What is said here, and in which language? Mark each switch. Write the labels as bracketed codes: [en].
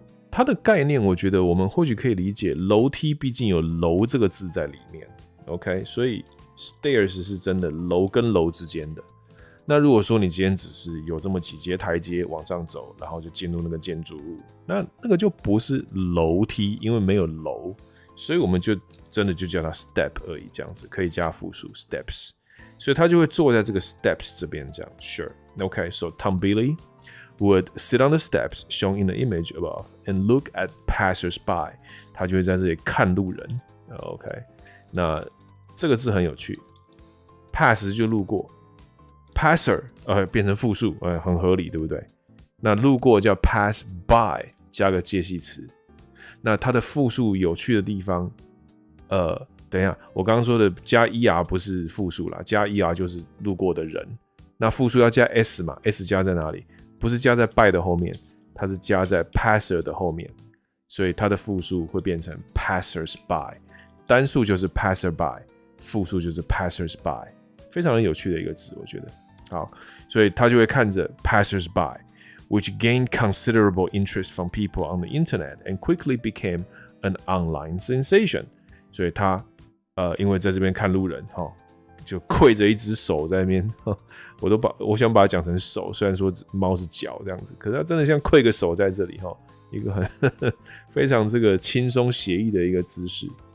[zh] 它的概念我觉得我们或许可以理解，楼梯毕竟有楼这个字在里面， OK, 所以 stairs 是真的楼跟楼之间的。那如果说你今天只是有这么几阶台阶往上走，然后就进入那个建筑物，那个就不是楼梯，因为没有楼，所以我们就真的就叫它 step 而已，这样子可以加复数 steps。所以他就会坐在这个 steps 这边这样 ， [en] Sure, OK. So Tombili would sit on the steps shown in the image above and look at passersby. [zh] 他就会在这里看路人 ，OK. 那这个字很有趣 ，pass 就路过 ，passer 变成复数，很合理，对不对？那路过叫 pass by， 加个介系词。那它的复数有趣的地方，等一下，我刚刚说的加 er 不是复数啦，加 er 就是路过的人。那复数要加 s 嘛 ？s 加在哪里？不是加在 by 的后面，它是加在 passer 的后面，所以它的复数会变成 passers by。单数就是 passer by， 复数就是 passers by， 非常有趣的一个字，我觉得。好，所以他就会看着 [en] passers by， which gained considerable interest from people on the internet and quickly became an online sensation。 [zh] 所以他，因为在这边看路人，就跪着一只手在那边，我想把它讲成手，虽然说猫是脚这样子，可是他真的像跪个手在这里，一个很非常这个轻松写意的一个姿势。